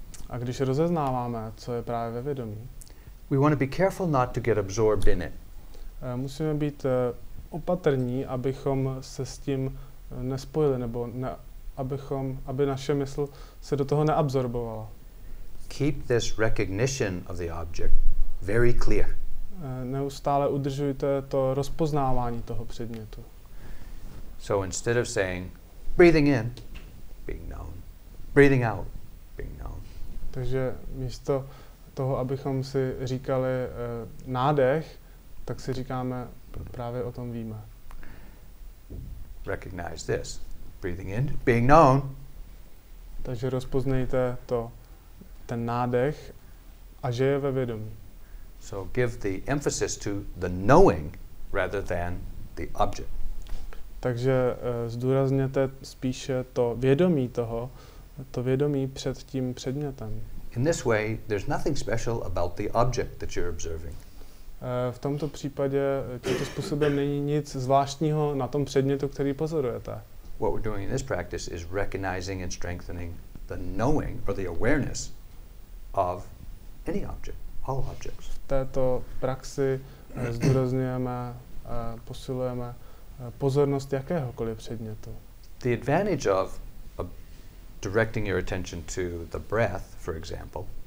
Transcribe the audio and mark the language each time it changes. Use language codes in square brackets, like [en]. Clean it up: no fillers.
[cs] A když rozeznáváme, co je právě ve vědomí. [en] We want to be careful not to get absorbed in it. [cs] Musíme být opatrní, abychom se s tím nespojili nebo aby naše mysl se do toho neabsorbovala. [en] Keep this recognition of the object very clear. [cs] Neustále udržujte to rozpoznávání toho předmětu. [en] So instead of saying breathing in, being known, breathing out, being known. [cs] Takže místo toho, abychom si říkali nádech, tak si říkáme právě o tom víme. [en] Recognize this. Breathing in, being known. [cs] Takže rozpoznejte to, ten nádech a že je ve vědomí. [en] So give the emphasis to the knowing rather than the object. [cs] Takže zdůrazněte spíše to vědomí toho, to vědomí před tím předmětem. [en] In this way, there's nothing special about the object that you're observing. [cs] V tomto případě tímto způsobem není nic zvláštního na tom předmětu, který pozorujete. [en] What we're doing in this practice is recognizing and strengthening the knowing or the awareness of any object, all objects. [cs] V této praxi zdůrazňujeme, posilujeme pozornost jakéhokoliv předmětu. [en] The advantage of directing your attention to the breath, for example.